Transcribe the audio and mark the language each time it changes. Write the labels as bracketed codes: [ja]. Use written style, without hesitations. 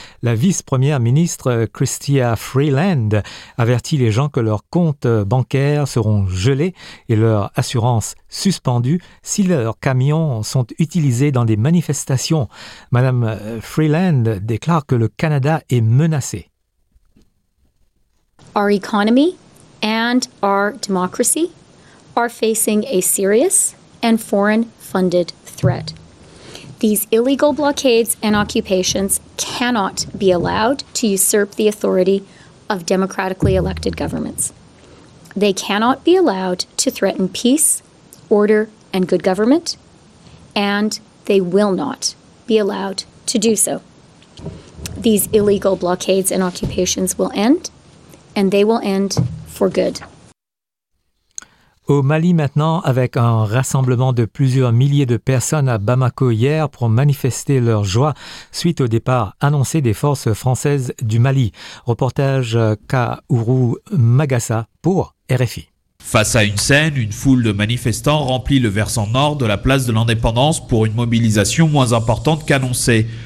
[fr] La vice-première ministre Chrystia Freeland avertit les gens que leurs comptes bancaires seront gelés et leur assurance suspendue si leurs camions sont utilisés dans des manifestations. Madame Freeland déclare que le Canada est menacé. [en] Our economy and our democracy are facing a serious and foreign-funded threat. These illegal blockades and occupations cannot be allowed to usurp the authority of democratically elected governments. They cannot be allowed to threaten peace, order, and good government, and they will not be allowed to do so. These illegal blockades and occupations will end, and they will end for good. [fr] Au Mali maintenant, avec un rassemblement de plusieurs milliers de personnes à Bamako hier pour manifester leur joie suite au départ annoncé des forces françaises du Mali. Reportage Kaourou Magassa pour RFI. Face à une scène, une foule de manifestants remplit le versant nord de la place de l'Indépendance pour une mobilisation moins importante qu'annoncée.